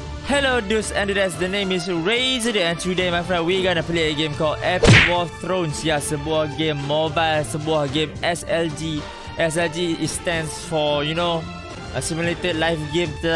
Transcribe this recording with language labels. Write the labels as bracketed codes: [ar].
[en] Hello dudes and dudettes, the name is Razor and today my friend we gonna play a game called Epic War of Thrones. [ms] Ya, sebuah game mobile, sebuah game SLG. [en] SLG stands for, you know, a simulated life game.